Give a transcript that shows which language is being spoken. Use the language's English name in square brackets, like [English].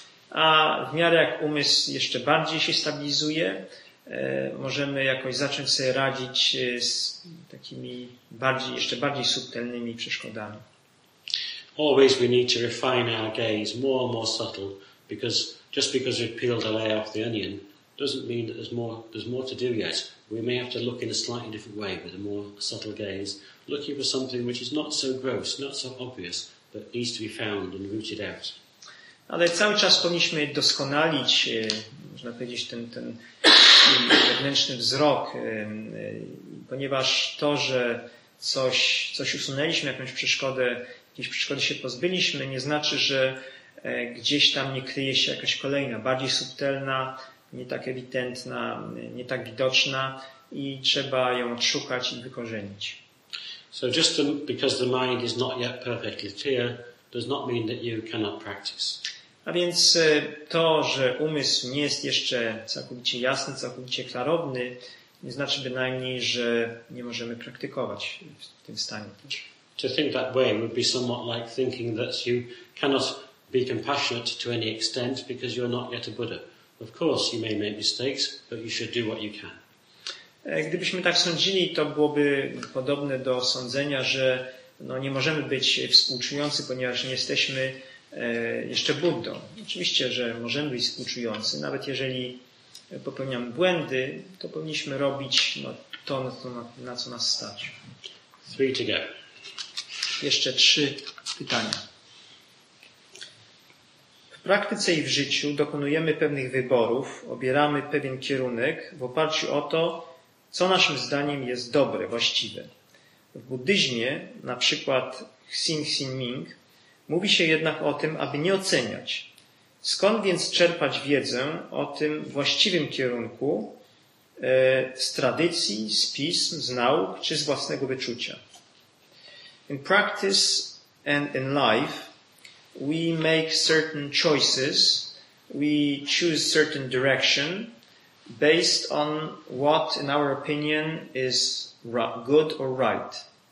[Polish] A w miarę jak umysł jeszcze bardziej się stabilizuje, możemy jakoś zacząć sobie radzić z takimi bardziej, jeszcze bardziej subtelnymi przeszkodami. [English] Always we need to refine our gaze more and more subtle, because just because we've peeled a layer off the onion doesn't mean that there's more to do yet. We may have to look in a slightly different way with a more subtle gaze, looking for something which is not so gross, not so obvious, but needs to be found and rooted out. [Polish] Ale cały czas powinniśmy doskonalić, można powiedzieć, ten wewnętrzny wzrok, ponieważ to, że coś usunęliśmy, jakąś przeszkodę, jakieś przeszkody się pozbyliśmy, nie znaczy, że gdzieś tam nie kryje się jakaś kolejna, bardziej subtelna, nie tak ewidentna, nie tak widoczna i trzeba ją odszukać i wykorzenić. [English] So just because the mind is not yet perfectly clear does not mean that you cannot practice. [Polish] A więc to, że umysł nie jest jeszcze całkowicie jasny, całkowicie klarowny, nie znaczy bynajmniej, że nie możemy praktykować w tym stanie. [English] To think that way would be somewhat like thinking that you cannot be compassionate to any extent because you're not yet a Buddha. Of course you may make mistakes, but you should do what you can. [Polish] Gdybyśmy tak sądzili, to byłoby podobne do sądzenia, że no, nie możemy być współczujący, ponieważ nie jesteśmy jeszcze Buddą. Oczywiście, że możemy być współczujący, nawet jeżeli popełniamy błędy, to powinniśmy robić no, to, na co nas stać. [English] Three to go. [Polish] Jeszcze trzy pytania. W praktyce i w życiu dokonujemy pewnych wyborów, obieramy pewien kierunek w oparciu o to, co naszym zdaniem jest dobre, właściwe. W buddyzmie, na przykład Xin Xin Ming, mówi się jednak o tym, aby nie oceniać. Skąd więc czerpać wiedzę o tym właściwym kierunku z tradycji, z pism, z nauk czy z własnego wyczucia? [English] In practice and in life, we make certain choices, we choose certain direction based on what, in our opinion, is good or right.